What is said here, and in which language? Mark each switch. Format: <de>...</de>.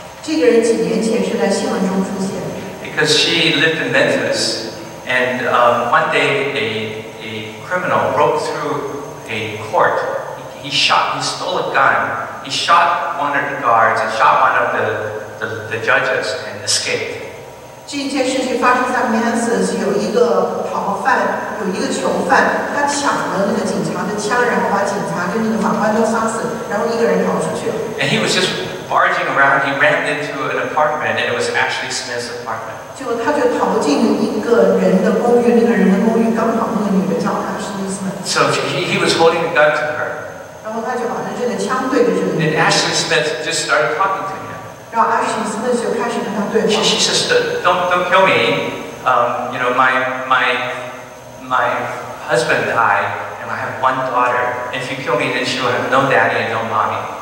<en>Because she lived in Memphis, and one day, a criminal broke through a court. He stole a gun, he shot one of the guards, and shot one of the judges, and escaped.</en> <zh>这件事情发生在Memphis，有一个囚犯，他抢了那个警察的枪，然后把警察跟那个法官都杀死，然后一个人跑出去了。</zh> <en>And he was just barging around, he ran into an apartment, and it was Ashley Smith's apartment.</en> <zh>结果他就跑进一个人的公寓，那个人的公寓刚好那个女的叫Ashley Smith。</zh> <en>So he was holding a gun to her.</en> <zh>然后他就把那个枪对着人。</zh> <en>And Ashley Smith just started talking to him.</en> <zh>然后Ashley Smith就开始跟他对话。</zh> <en>She says, don't kill me. You know, my husband died, and I have one daughter. If you kill me, then she will have no daddy and no mommy.</en>